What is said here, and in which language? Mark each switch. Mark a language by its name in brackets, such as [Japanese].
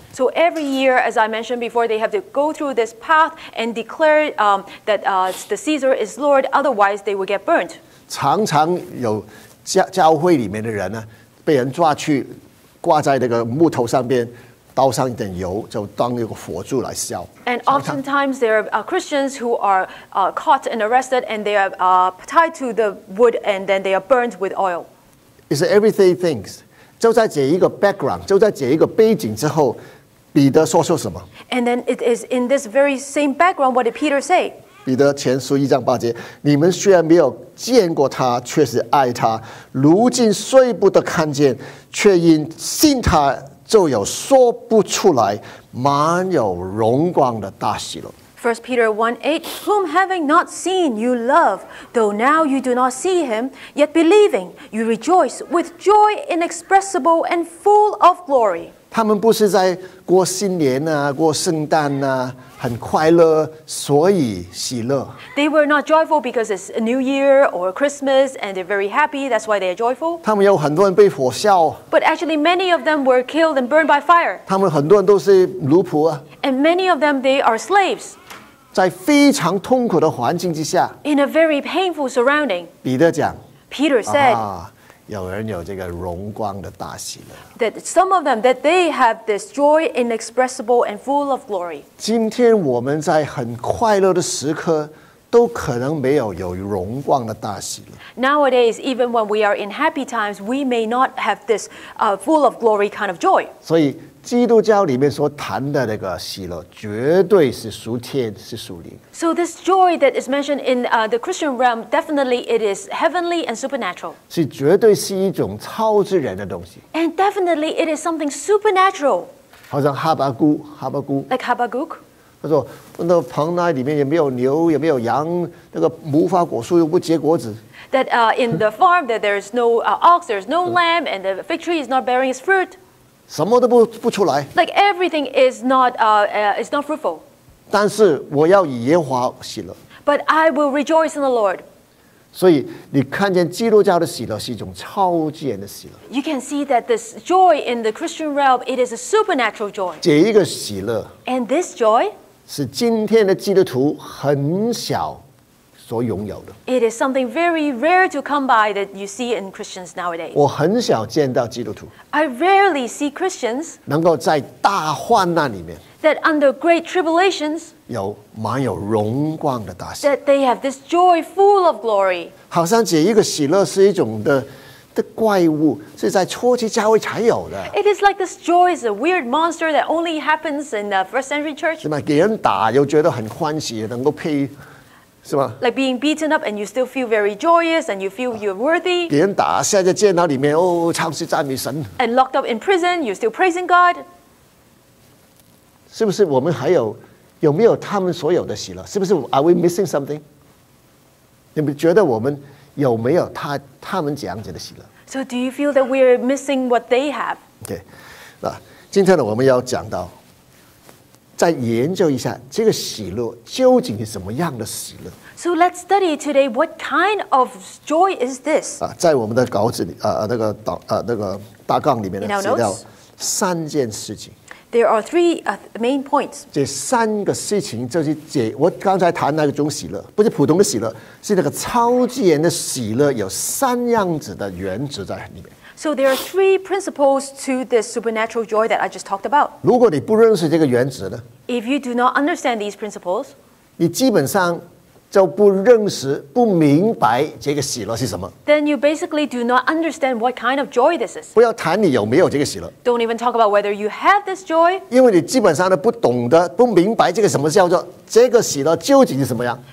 [English] So every year, as I mentioned before, they have to go through this path and declare that the Caesar is Lord, otherwise they will get burnt. [Chinese] 常常有 教会里面的人呢，被人抓去挂在那个木头上边，倒上一点油，就当一个火柱来烧。 [English] And oftentimes there are Christians who are caught and arrested, and they are tied to the wood, and then they are burnt with oil. It's everything things. [Chinese] 就在这一个 background， 就在这一个背景之后，彼得说什么 [English] ？And then it is in this very same background. What did Peter say？ [Chinese] 彼得前书一章八节，你们虽然没有见过他，却是爱他；如今虽不得看见，却因信他，就有说不出来、满有荣光的大喜乐。 [English] First Peter 1:8, whom having not seen, you love; though now you do not see him, yet believing, you rejoice with joy inexpressible and full of glory. [Chinese] 他们不是在过新年啊，过圣诞啊。很快乐，所以喜乐。 [English] They were not joyful because it's a new year or Christmas, and they're very happy. That's why they are joyful. [Chinese] 他们有很多人被火烧。 [English] But actually, many of them were killed and burned by fire. [Chinese] 他们很多人都是奴仆啊。 [English] And many of them, they are slaves. [Chinese] 在非常痛苦的环境之下。 [English] In a very painful surrounding. [Chinese] 彼得讲。 [English] Peter said.、 [Chinese] 啊有人有这个荣光的大喜乐。 [English] That some of them that they have this joy inexpressible and full of glory. [Chinese] 今天我们在很快乐的时刻，都可能没有有荣光的大喜乐。 [English] Nowadays, even when we are in happy times, we may not have this full of glory kind of joy. [Chinese] 所以基督教里面所谈的那个喜乐，绝对是属天，是属灵。 [English] So this joy that is mentioned in the Christian realm, definitely it is heavenly and supernatural. [Chinese] 是绝对是一种超自然的东西。 [English] And definitely it is something supernatural. [Chinese] 好像哈巴谷。 [English] Like Habakkuk. [Chinese] 他说，那棚内里面也没有牛，也没有羊，那个无花果树又不结果子。 [English] That in the farm that there is no ox, there is no lamb, and the fig tree is not bearing its fruit. [Chinese] 什么都不出来。 [English] Like everything is not is not fruitful. [Chinese] 但是我要以耶和华喜乐。 [English] But I will rejoice in the Lord. [Chinese] 所以你看见基督教的喜乐是一种超自然的喜乐。 [English] You can see that this joy in the Christian realm it is a supernatural joy. [Chinese] 这一个喜乐。 [English] And this joy [Chinese] 是今天的基督徒很小所擁有的。 [English] It is something very rare to come by that you see in Christians nowadays. [Chinese] 我很少見到基督徒。 [English] I rarely see Christians [Chinese] 能夠在大患難裡面 [English] that under great tribulations [Chinese] 有滿有榮光的大喜。 [English] That they have this joy full of glory. [Chinese] 好像這一個喜樂是一種的的怪物是在初期教会才有的。 [English] It is like this joy is a weird monster that only happens in the first century church. [Chinese] 是吗？给人打又觉得很欢喜，能够配，是吗 [English] ？Like being beaten up and you still feel very joyous and you feel you're worthy. [Chinese] 给人打，现在监牢里面，哦，唱诗赞美神。 [English] And locked up in prison, you're still praising God. [Chinese] 是不是我们还有有没有他们所有的喜乐？是不是 [English] ？Are we missing something？ [Chinese] 你们觉得我们？有没有 他们这样子的喜乐 [English] ？So do you feel that we are missing what they have? Okay, [Chinese] 那今天呢，我们要讲到，再研究一下这个喜乐究竟是什么样的喜乐 [English] ？So let's study today. What kind of joy is this? [Chinese] 啊，在我们的稿子里，那个大纲里面呢，写到三件事情。 [English] There are three main points. [Chinese] 这三个事情就是这，我刚才谈那种喜乐，不是普通的喜乐，是那个超自然的喜乐，有三样子的原则在里面。 [English] So there are three principles to this supernatural joy that I just talked about. [Chinese] 如果你不认识这个原则呢 [English] ？If you do not understand these principles, [Chinese] 你基本上就不认识、不明白这个喜乐是什么。 [English] Then you basically do not understand what kind of joy this is. [Chinese] 不要谈你有没有这个喜乐。 [English] Don't even talk about whether you have this joy. [Chinese] 因为你基本上不懂得、不明白这个什么叫做这个喜乐究竟是什么样。